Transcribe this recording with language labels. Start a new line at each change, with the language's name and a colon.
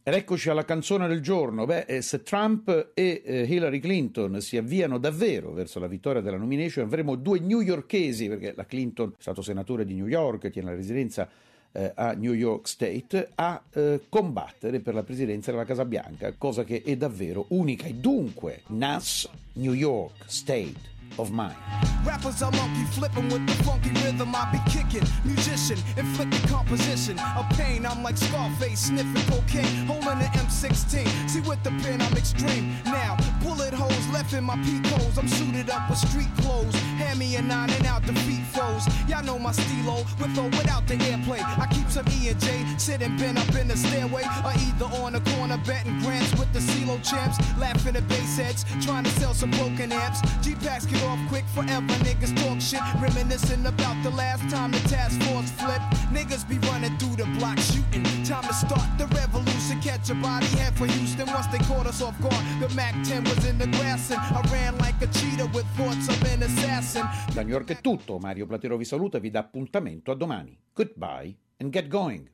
Italian: Ed eccoci alla canzone del giorno. Beh, se Trump e Hillary Clinton si avviano davvero verso la vittoria della nomination, avremo due newyorkesi, perché la Clinton è stato senatore di New York, tiene la residenza a New York State, a combattere per la presidenza della Casa Bianca, cosa che è davvero unica. E dunque, NAS, New York State of Mind.
English: Rappers are monkey flipping with the funky rhythm. I be kicking, musician, inflicting composition of pain. I'm like Scarface sniffing cocaine, holding an M16. See with the pen, I'm extreme. Now bullet holes left in my peacoats. I'm suited up with street clothes. Hand me a 9 and out, defeat foes. Y'all know my steelo, with or without the airplay. I keep some E and J sitting bent up in the stairway, or either on the corner betting grants with the CeeLo champs, laughing at bass heads trying to sell some broken amps. G packs get off quick forever. My niggas talk shit, reminiscing about the last time the task force flipped. Niggas be running through the block shooting. Time to start the revolution. Catch a body head for Houston. Once they caught us off guard, the MAC-10 was in the grass and I ran like a cheetah with thoughts of an assassin.
Italian: Da New York è tutto. Mario Platero vi saluta e vi dà appuntamento a domani.
English: Goodbye and get going.